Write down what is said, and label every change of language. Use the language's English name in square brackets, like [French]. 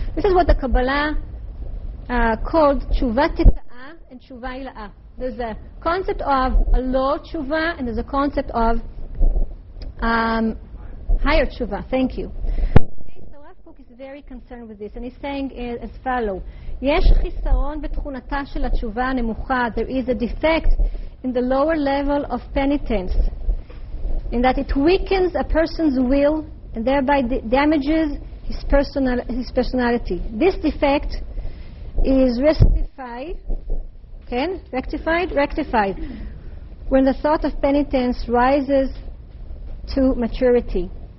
[English] This is what the Kabbalah called tshuva teta'a and tshuva ila'a. There's a concept of a low tshuva and there's a concept of higher tshuva. Thank you. Okay, so Rav Kook is very concerned with this and he's saying as follows. [Hebrew] יש חיסרון בתכונתה של התשובה הנמוכה. [English] There is a defect in the lower level of penitence in that it weakens a person's will and thereby damages his personality. This defect is rectified when the thought of penitence rises to maturity.